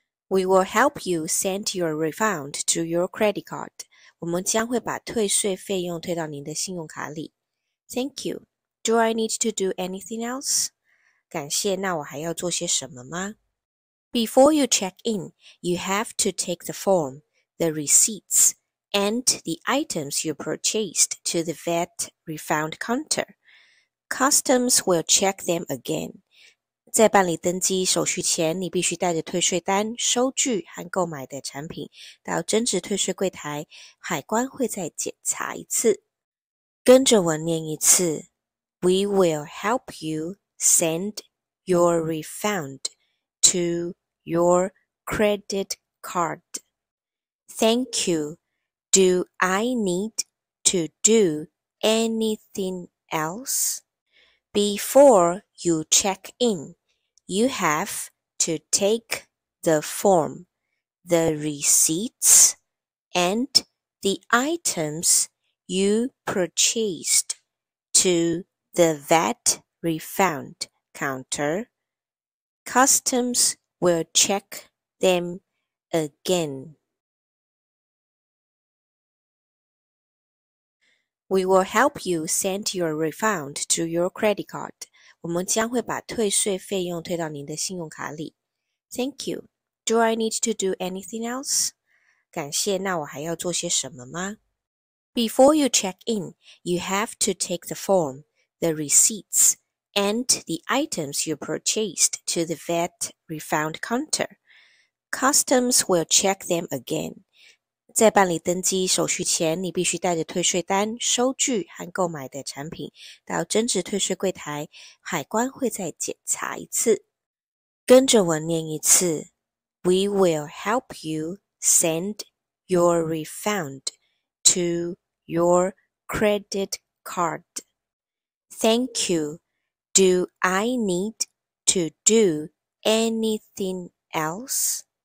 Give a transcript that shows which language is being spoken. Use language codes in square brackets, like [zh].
[en] We will help you send your refund to your credit card. [zh] 我们将会把退税费用退到您的信用卡里。 [en] Thank you. Do I need to do anything else? [zh] 感谢，那我还要做些什么吗？ [en] Before you check in, you have to take the form, the receipts, and the items you purchased to the VAT refund counter. Customs will check them again. [zh] 在办理登机手续前，你必须带着退税单、收据和购买的产品到增值退税柜台，海关会再检查一次。跟着我念一次： [en] We will help you send your refund to your credit card. Thank you. Do I need to do anything else? Before you check in, you have to take the form, the receipts, and the items you purchased to the VAT refund counter. Customs will check them again. We will help you send your refund to your credit card. [zh] 我们将会把退税费用退到您的信用卡里。 [en] Thank you. Do I need to do anything else? [zh] 感谢，那我还要做些什么吗？ [en] Before you check in, you have to take the form, the receipts, and the items you purchased to the VAT refund counter. Customs will check them again. [zh] 在办理登机手续前，你必须带着退税单、收据和购买的产品到增值退税柜台，海关会再检查一次。跟着我念一次： [en] We will help you send your refund to your credit card. Thank you. Do I need to do anything else?